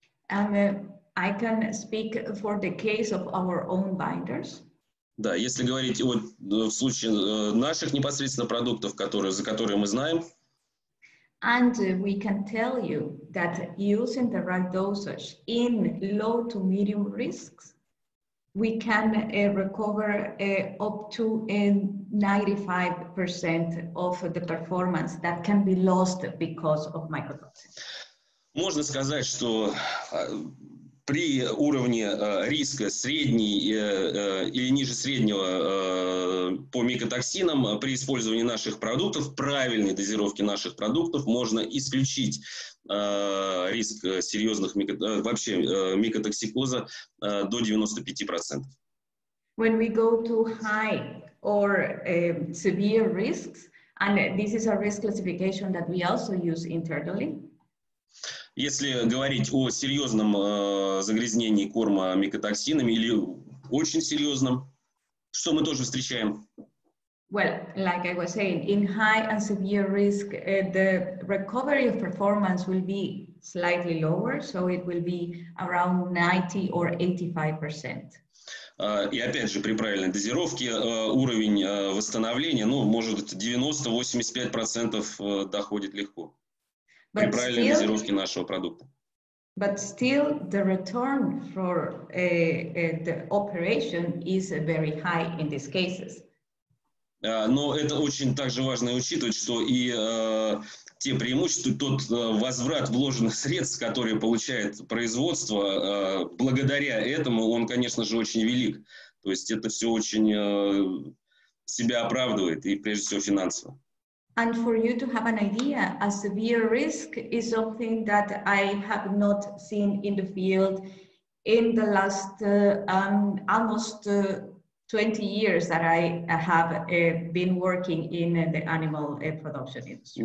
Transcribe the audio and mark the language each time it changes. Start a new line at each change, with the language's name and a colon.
English: And I can speak for the case of our own binders.
Russian: Да, если говорить о, в случае наших непосредственно продуктов, которые, за которые мы знаем.
English: And we can tell you that using the right dosage in low to medium risks, we can recover up to 95% of the performance that can be lost because of mycotoxins.
Russian: Можно сказать, что при уровне риска средний или ниже среднего по микотоксинам при использовании наших продуктов, правильной дозировки наших продуктов, можно исключить риск серьезных вообще микотоксикоза до 95%.
English: When we go to high or severe risks, and this is a risk classification that we also use internally.
Russian: Если говорить о серьезном загрязнении корма микотоксинами или очень серьезном, что мы тоже встречаем?
English: Well, like I was saying, in high and severe risk, the recovery of performance will be slightly lower, so it will be around 90 or 85%.
Russian: И опять же, при правильной дозировке уровень восстановления, ну, может, 90-85% доходит легко. При
English: but
Russian: правильной
English: still,
Russian: дозировке нашего продукта.
English: But still the return for the operation is very high in these cases.
Russian: Но это очень также важно учитывать, что и те преимущества, тот возврат вложенных средств, которые получает производство, благодаря этому он, конечно же, очень велик. То есть это все очень себя оправдывает, и прежде всего финансово.
English: And for you to have an idea, a severe risk is something that I have not seen in the field in the last almost 20 years that I have been working in the animal production industry.